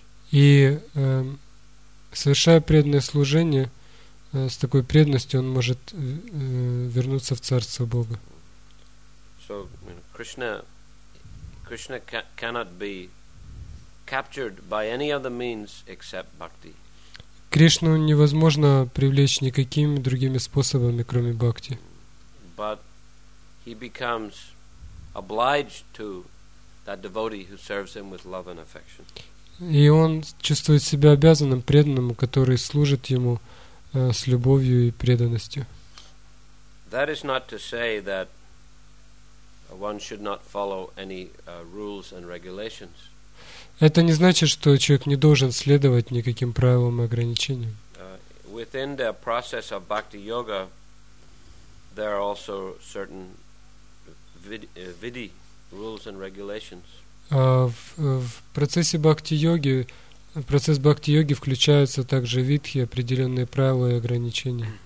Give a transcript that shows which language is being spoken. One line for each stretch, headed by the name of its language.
Russian: И совершая преданное служение, с такой преданностью он может вернуться в Царство Бога.
English: So, Krishna cannot be captured by any other means except bhakti.
Russian: Кришну невозможно привлечь никакими другими способами, кроме бхакти.
English: But he becomes obliged to that devotee who serves him with love and affection.
Russian: И он чувствует себя обязанным преданному, который служит ему с любовью и преданностью.
English: That is not to say that one should not follow any rules and regulations.
Russian: Это не значит, что человек не должен следовать никаким правилам и ограничениям.
English: Within the process of bhakti yoga, there are also certain vidhi rules and regulations.
Russian: В процессе бхакти йоги в процесс бхакти йоги включаются также видхи, определенные правила и ограничения.